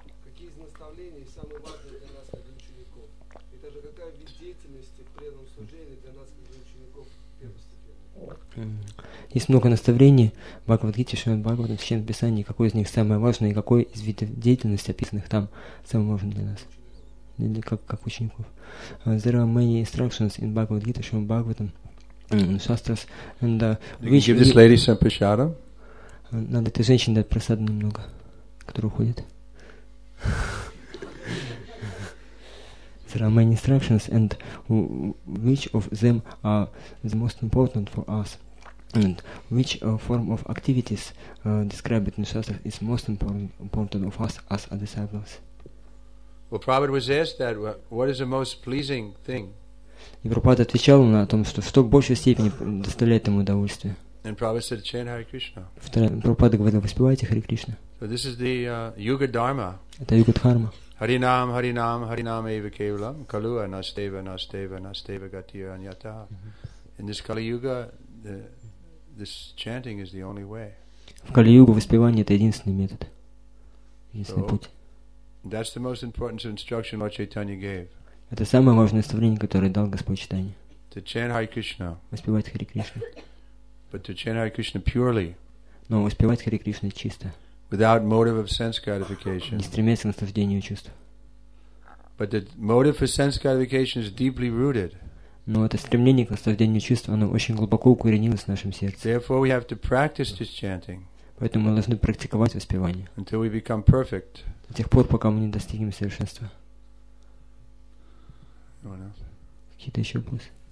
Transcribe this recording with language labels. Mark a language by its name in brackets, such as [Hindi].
[Russian] Какие из наставлений самые важные для нас, как учеников? И также какая вид деятельности в преданном служении для нас, как учеников, Есть много наставлений Бхагавад-гите, Шримад Бхагаватам, Священном Писании, какой из них самое важное и какой из видов деятельности, описанных там, самый важный для нас, как учеников. [English] There are many instructions in Bhagavad-gita, Shrimad Bhagavatam, Shastras, and which... Give this lady some prasadam? [Russian] Надо этой женщине дать просаду немного, которая уходит. [English] There are many instructions, and which of them are the most important for us? And which form of activities described in the Shastra is most important of us as a disciples? Well, Prabhupada was asked that. What is the most pleasing thing? [Russian] И Прабхупада отвечал на том, что в большей степени доставляет ему удовольствие. [English] And Prabhupada said, "Chant Hare Krishna." [Russian] Прабхупада говорил, воспевайте Харе Кришна. [English] So this is the Yuga Dharma. [Russian] Это Юга Дхарма. [Sanskrit] Харинам, Харинам, Харинам Эйва Кевалам, Калуа, Настева, Настева, Настева, Гатия, Аньята. [English] In this Kali Yuga, this chanting is the only way. [Russian] В Кали Юга воспевание — это единственный метод, единственный путь. [English] That's the most important instruction Lord Chaitanya gave. [Russian] Это самое важное наставление, которое дал Господь Чайтанья. [English] To chant Hare Krishna. [Russian] Воспевать Харе Кришну. [English] But to chant Hare Krishna purely. [Russian] Но воспевать Харе Кришну чисто. [English] Without motive of sense gratification. [Russian] Не стремясь к наслаждению чувств. [English] But the motive for sense gratification is deeply rooted. [Russian] Но это стремление к наслаждению чувств, оно очень глубоко укоренилось в нашем сердце. [English] Therefore, we have to practice this chanting. [Russian] Поэтому мы должны практиковать воспевание. [English] Until we become perfect. [Russian] До тех пор, пока мы не достигнем совершенства. Какие-то еще вопросы?